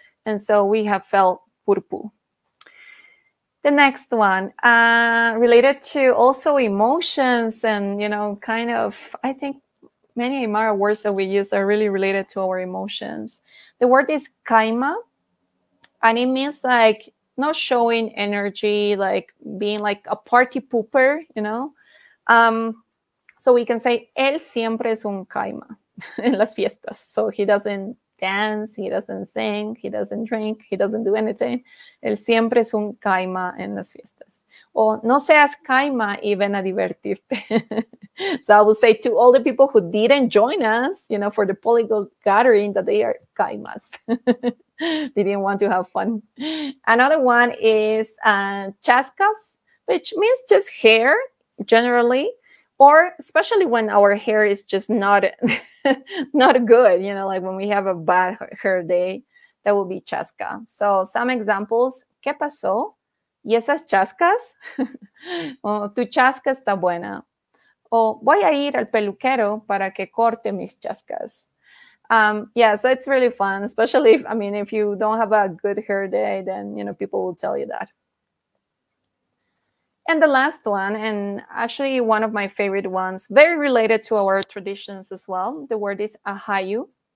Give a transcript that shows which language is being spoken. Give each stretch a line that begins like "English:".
English: And so we have felt purpu. The next one, related to also emotions and, you know, kind of, I think, many Aymara words that we use are really related to our emotions. The word is kaima, and it means like not showing energy, like being like a party pooper, you know? So we can say,
Spanish: él siempre es un kaima en las fiestas.
English: So he doesn't dance, he doesn't sing, he doesn't drink, he doesn't do anything.
Spanish: Él siempre es un kaima en las fiestas. Or no seas kaima y ven a divertirte.
English: So I will say to all the people who didn't join us, you know, for the Polyglot gathering, that they are kaimas. They didn't want to have fun. Another one is chascas, which means just hair generally, or especially when our hair is just not good, you know, like when we have a bad hair day, that will be chasca. So some examples,
Spanish: ¿qué pasó? ¿Y esas chascas? Oh, tu chasca está buena. O voy a ir al peluquero para que corte mis chascas.
English: Yeah, so it's really fun, especially if, I mean, if you don't have a good hair day, then, you know, people will tell you that. And the last one, and actually one of my favorite ones, very related to our traditions as well, the word is ahayu.